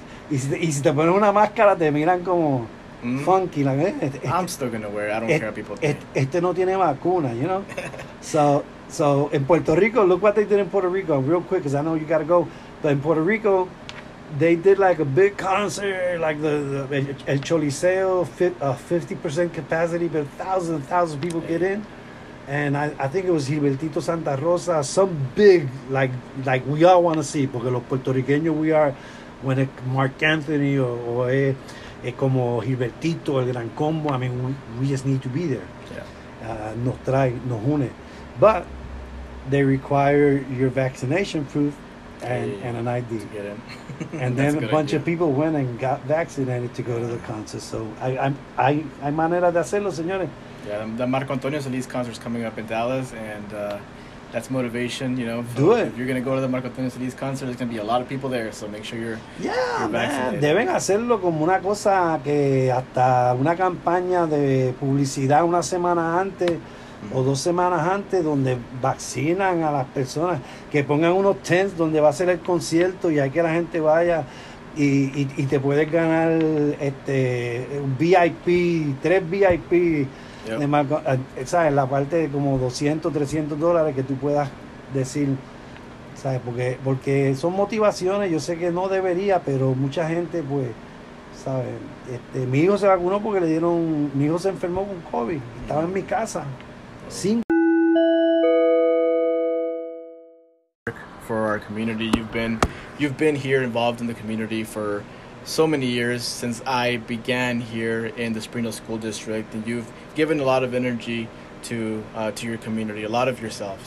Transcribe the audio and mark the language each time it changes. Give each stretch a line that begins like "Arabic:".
Spanish: Y si te ponen una máscara, te miran como funky.
English: Like, I'm still going to wear it. I don't care what people think.
Spanish: Este no tiene vacuna,
English: you know? So in Puerto Rico, look what they did in Puerto Rico, real quick, because I know you got to go. But in Puerto Rico, they did like a big concert, like the El Choliseo, 50% capacity, but thousands of people get in. And I think it was Gilbertito Santa Rosa, some big, like we all want to see,
Spanish: porque los puertorriqueños
English: we are, when it's Mark Anthony or como Gilbertito, El Gran Combo, I mean, we just need to be there. Yeah.
Spanish: Nos trae, nos une.
English: But they require your vaccination proof and an ID. To get in. And then a bunch of people went and got vaccinated to go to the concert.
Spanish: So I manera de hacerlo, señores.
English: Yeah, the Marco Antonio Solís concert is coming up in Dallas, and that's motivation, you know. Do it. If you're going to go to the Marco Antonio Solís concert, there's going to be a lot of people there, so make sure you're vaccinated.
Spanish: Deben hacerlo como una cosa que hasta una campaña de publicidad una semana antes. O dos semanas antes, donde vacinan a las personas, que pongan unos tents donde va a ser el concierto y hay que la gente vaya y te puedes ganar un VIP, tres VIP, ¿sabes? La parte de como $200-300 que tú puedas decir, ¿sabes? Porque son motivaciones, yo sé que no debería, pero mucha gente, pues, ¿sabes? Mi hijo se vacunó porque mi hijo se enfermó con COVID, estaba en mi casa.
English: For our community, you've been here involved in the community for so many years since I began here in the Springdale School District, and you've given a lot of energy to your community, a lot of yourself.